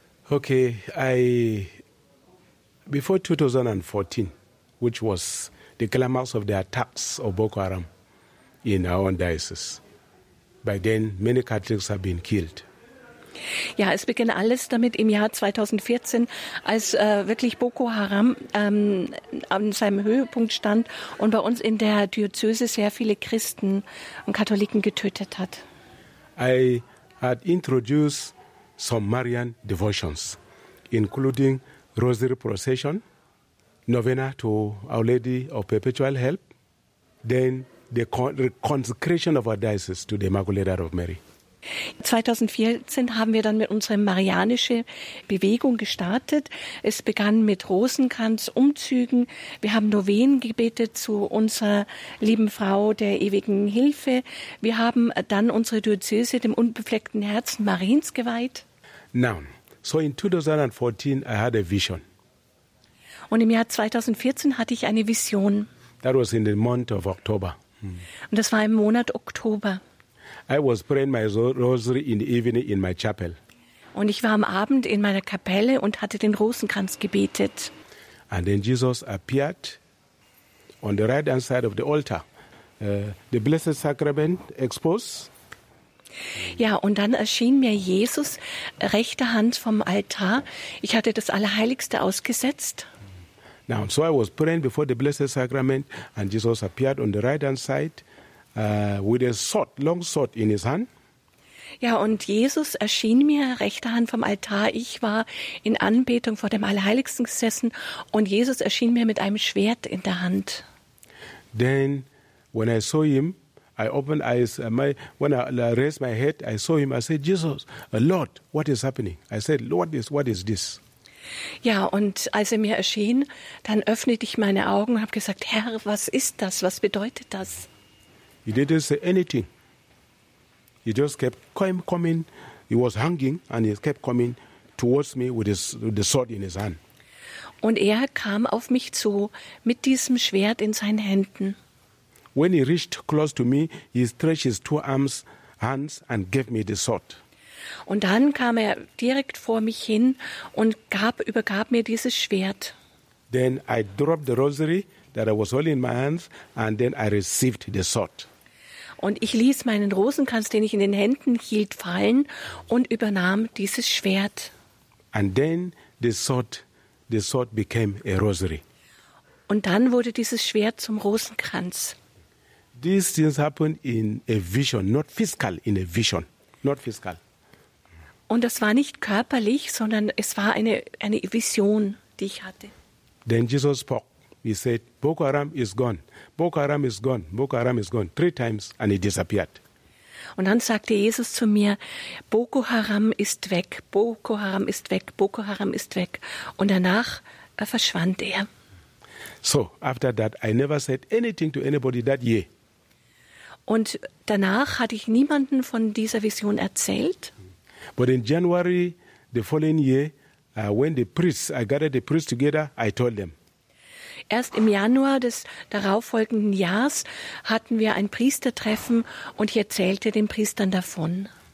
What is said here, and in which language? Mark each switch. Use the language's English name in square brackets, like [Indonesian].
[English] Okay, before 2014, which was the climax of the attacks of Boko Haram in our own diocese. By then, many Catholics have been killed. [German] Ja, es begann alles damit im Jahr 2014, als wirklich Boko Haram an seinem Höhepunkt stand und bei uns in der Diözese sehr viele Christen und Katholiken getötet hat. [English] I had introduced some Marian devotions, including Rosary Procession, Novena to Our Lady of Perpetual Help, then the consecration of our diocese to the Immaculate Heart of Mary. [German] 2014 haben wir dann mit unserer Marianische Bewegung gestartet. Es begann mit Rosenkranz, Umzügen. Wir haben Novenen gebetet zu unserer lieben Frau der ewigen Hilfe. Wir haben dann unsere Diözese dem unbefleckten Herzen Mariens geweiht. [English] Now, so in 2014 I had a vision. [German] Und im Jahr 2014 hatte ich eine Vision. [English] That was in the month of October. [German] Und das war im Monat Oktober. [English] I was praying my rosary in the evening in my chapel. [German] Und ich war am Abend in meiner Kapelle und hatte den Rosenkranz gebetet. [English] And then Jesus appeared on the right hand side of the altar. The Blessed Sacrament exposed. [German] Ja, und dann erschien mir Jesus rechte Hand vom Altar. Ich hatte das Allerheiligste ausgesetzt. [English] Now, so I was praying before the Blessed Sacrament, and Jesus appeared on the right hand side with a sword, long sword in his hand. [German] Ja, und Jesus erschien mir rechte Hand vom Altar. Ich war in Anbetung vor dem Allerheiligsten gesessen, und Jesus erschien mir mit einem Schwert in der Hand. [English] Then, when I saw him, I opened eyes. When I raised my head, I saw him. I said, "Jesus, Lord, what is happening?" I said, "Lord, what is this?" [German] Ja, und als er mir erschien, dann öffnete ich meine Augen und habe gesagt, Herr, was ist das? Was bedeutet das? [English] He didn't say anything. He just kept coming. He was hanging and he kept coming towards me with the sword in his hand. [German] Und er kam auf mich zu mit diesem Schwert in seinen Händen. [English] When he reached close to me, he stretched his two arms, hands and gave me the sword. [German] Und dann kam er direkt vor mich hin und übergab mir dieses Schwert. [English] Then I dropped the rosary that I was holding in my hands and then I received the sword. [German] Und ich ließ meinen Rosenkranz, den ich in den Händen hielt, fallen und übernahm dieses Schwert. [English] And then the sword became a rosary. [German] Und dann wurde dieses Schwert zum Rosenkranz. [English] These things happened in a vision, not physical, in a vision, not physical. [German] Und das war nicht körperlich, sondern es war eine Vision, die ich hatte. [English] Then Jesus spoke. He said, Boko Haram is gone. Boko Haram is gone. Boko Haram is gone. 3 times and he disappeared. [German] Und dann sagte Jesus zu mir, Boko Haram ist weg. Boko Haram ist weg. Boko Haram ist weg. Und danach verschwand er. [English] So, after that, I never said anything to anybody that year. [German] Und danach hatte ich niemanden von dieser Vision erzählt. [English] But in January the following year, when I gathered the priests together, I told them. [German] Erst im Januar des darauffolgenden Jahres hatten wir ein Priestertreffen und ich erzählte den Priestern davon.